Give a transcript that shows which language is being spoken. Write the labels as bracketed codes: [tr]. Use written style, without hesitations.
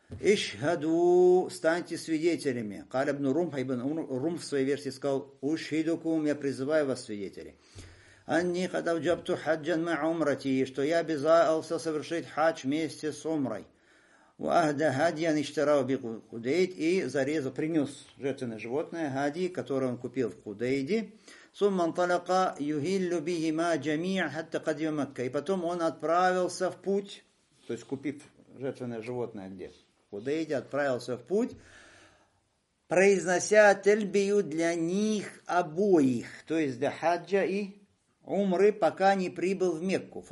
[ru] «Ишхаду, станьте свидетелями». Каля бну Румф, а ибн Румф в своей версии сказал: «Ушхидукум, я призываю вас, свидетели». [ar] «Анни хадав джабту хаджан ма умрати», [ru] что я обязался совершить хадж вместе с умрой. [ar] «Вахда хадьян иштарау би кудейд», [ru] и зарезал, принес жертвенное животное, хади, которое он купил в Кудейде. [ar] ثم انطلق يهل بهما جميعا حتى قدم مكة. [ru] И потом он отправился в путь, то есть купив жертвенное животное где? Худейде, отправился в путь, произнося тельбию для них обоих, то есть для хаджа и умры, пока не прибыл в Мекку.